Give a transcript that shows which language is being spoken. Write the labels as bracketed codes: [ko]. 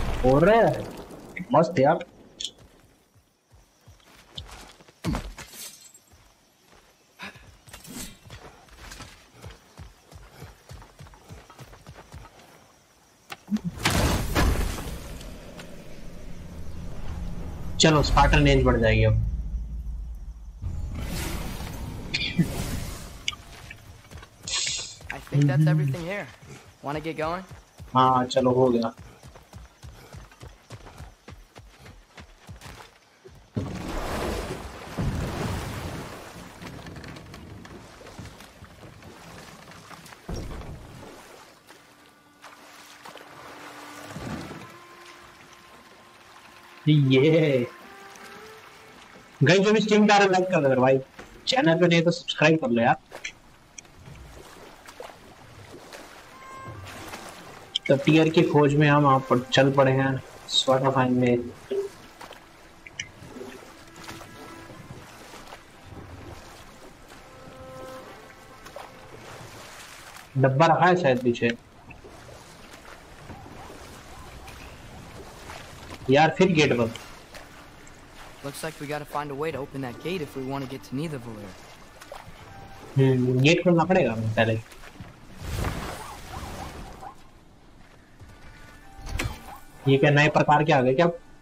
[hi] और रे मस्त यार चलो स्पार्टन रेंज बढ़ जाएगी अब [en] I think that's everything here. Wanna get going? [hi] हाँ चलो हो गया ये गाइस जो भी स्ट्रीम कर रहे हैं लाइक कर दो भाई चैनल पे नहीं तो सब्सक्राइब कर लो यार तो टीयर की खोज में हम आप पर चल पड़े हैं स्वर्ण फाइन में डब्बा रखा है शायद पीछे यार फिर गेट बंद [en] Looks like we gotta find a way to open that gate if we want to get to Neither Valir. [hi] Gate khulna padega pehle. Ye kya naye prakar ke aa gaye kya?